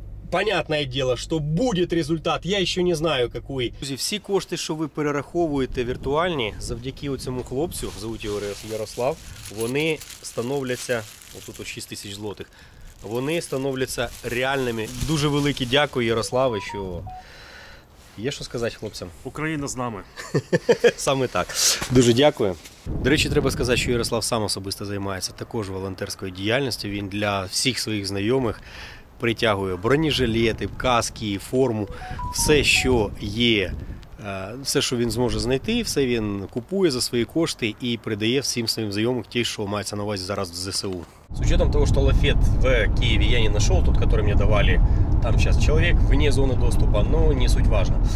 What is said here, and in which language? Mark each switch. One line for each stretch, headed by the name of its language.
Russian: Понятное дело, что будет результат, я еще не знаю какой. Друзья, все кошти, что вы перераховываете виртуальные, завдяки этому хлопцу, зовут его Ярослав, они становятся, вот тут 6 тысяч злотых,
Ukrainian: вони становляться реальними. Дуже велике дякую, Ярославу, що є що сказати хлопцям? Україна з нами. Саме так. Дуже дякую. До речі, треба сказати, що Ярослав сам особисто займається також волонтерською діяльністю. Він для всіх своїх знайомих притягує бронежилети, каски, форму, все, що є. Все, що він зможе знайти, все він купує за свої кошти і передає всім своїм знайомим, ті, що мається на увазі зараз в ЗСУ.
Russian: С учетом того, что лафет в Киеве я не нашел, тот, который мне давали, там сейчас человек вне зоны доступа, но не суть важно.